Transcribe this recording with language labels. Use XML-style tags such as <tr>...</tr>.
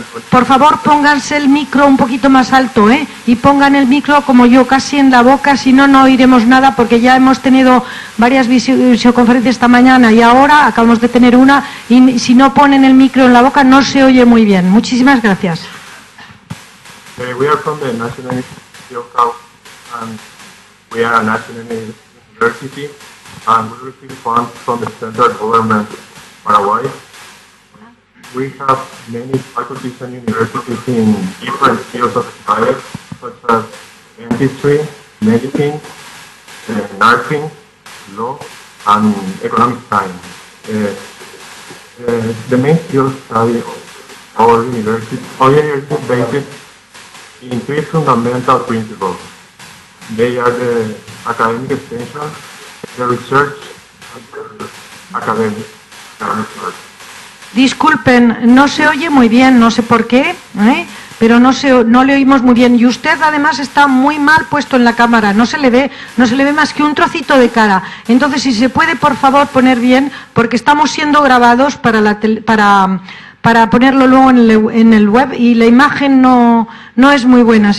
<es>Por favor, pónganse el micro un poquito más alto, ¿eh? Y pongan el micro, como yo, casi en la boca, si no, no oiremos nada, porque ya hemos tenido varias videoconferencias esta mañana y ahora acabamos de tener una, y si no ponen el micro en la boca, no se oye muy bien. Muchísimas gracias.</es> <en>Okay, we are from the National University of Health, and we are a national university, and we receive funds from the central government of Paraguay. We have many faculties and universities in different fields of science, such as industry, medicine, nursing, law, and economic science. The main field study of our university basis in three fundamental principles. They are the academic extension, the research, and the academic work.</en> <es>Disculpen, no se oye muy bien, no sé por qué, ¿eh? Pero no le oímos muy bien. Y usted además está muy mal puesto en la cámara, no se le ve más que un trocito de cara. Entonces, si se puede, por favor, poner bien, porque estamos siendo grabados para ponerlo luego en el web y la imagen no es muy buena.</es>